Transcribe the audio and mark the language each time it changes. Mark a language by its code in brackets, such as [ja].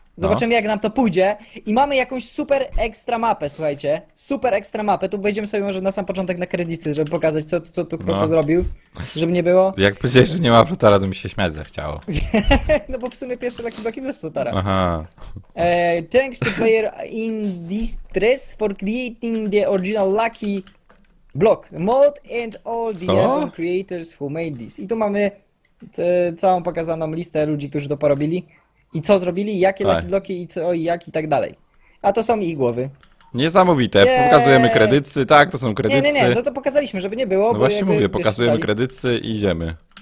[pl] Zobaczymy, jak nam to pójdzie i mamy jakąś super ekstra mapę, słuchajcie. Super ekstra mapę, tu wejdziemy sobie może na sam początek na kredyty, żeby pokazać, co tu kto to zrobił, żeby nie było. Jak powiedziałeś, że nie ma Flotara, to mi się śmiać zechciało. No bo w sumie pierwszy taki bloki bez Flotara. Aha. [en] Thanks to player in distress for creating the original lucky block mod and all the other creators who made this. [pl] I tu mamy całą pokazaną listę ludzi, którzy to porobili. I co zrobili, jakie lucky bloki i co, i jak, i tak dalej. A to są ich głowy. Niesamowite, yeah. Pokazujemy kredycy, tak, to są kredycy. Nie, no to pokazaliśmy, żeby nie było. No właśnie mówię, pokazujemy kredycy i idziemy.